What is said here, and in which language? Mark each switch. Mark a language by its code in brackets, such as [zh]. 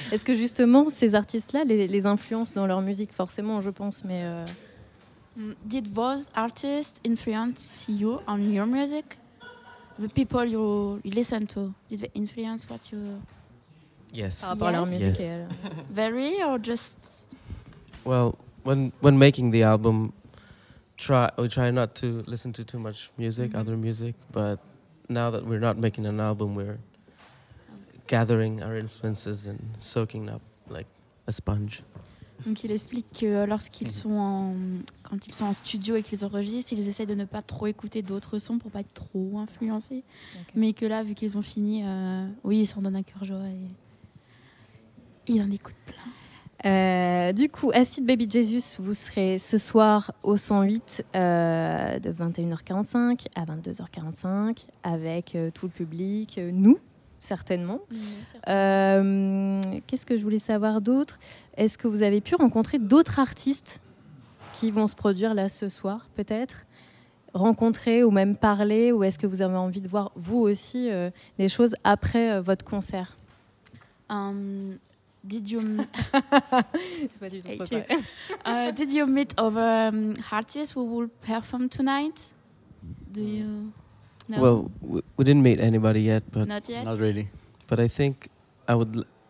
[fr] Est-ce que justement ces artistes-là les influencent dans leur musique, forcément, je pense, mais. [en] Did those artists influence you on your music? The people you listen to, did they influence what you. Yes. [fr] Par rapport [en] yes. [fr] à leur musique. [en] Yes. Very or just. Well, when making the album, we try not to listen to too much music, mm-hmm. other music, but. Now that we're not making an album, we're gathering our influences and soaking up like a sponge. [fr] Donc il explique que lorsqu'ils sont en studio et qu'ils enregistrent, ils essaient de ne pas trop écouter d'autres sons pour pas être trop influencés. Okay. Mais que là, vu qu'ils ont fini, oui, ils s'en donnent à cœur joie et ils en écoutent plein. Du coup, Acid Baby Jesus, vous serez ce soir au 108 de 21h45 à 22h45 avec tout le public, nous, certainement. Oui, qu'est-ce que je voulais savoir d'autre ? Est-ce que vous avez pu rencontrer d'autres artistes qui vont se produire là ce soir, peut-être ? Rencontrer ou même parler, ou est-ce que vous avez envie de voir vous aussi des choses après votre concert? [en] Did you meet other artists who will perform tonight? Do you know? Well, we didn't meet anybody yet, but not yet, not really. But I think I would.